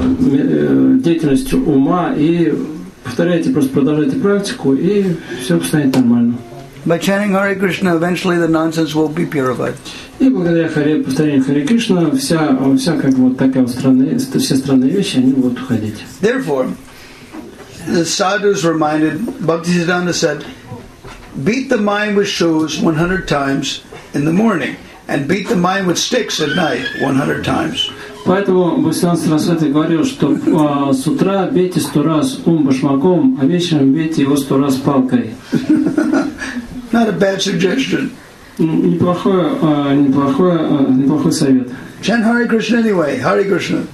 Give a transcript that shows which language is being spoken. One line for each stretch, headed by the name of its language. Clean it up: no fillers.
Russian: деятельностью ума, и повторяйте, просто продолжайте практику, и все станет нормально.
English: By chanting Hare Krishna, eventually the nonsense will be purified.
Russian: И благодаря повторению Hare Krishna вся как вот такая странная, все странные вещи, они будут уходить.
English: Therefore, the sadhus reminded, Bhaktisiddhanta said, beat the mind with shoes 100 times in the morning, and beat the mind with sticks at night 100 times.
Russian: Поэтому Бхагаван Сарасвати говорил, что с утра бейте 100 раз ум башмаком, а вечером бейте его 100 раз палкой.
English: Not a bad suggestion.
Russian: Неплохой совет.
English: Chant Hare Krishna anyway. Hare Krishna.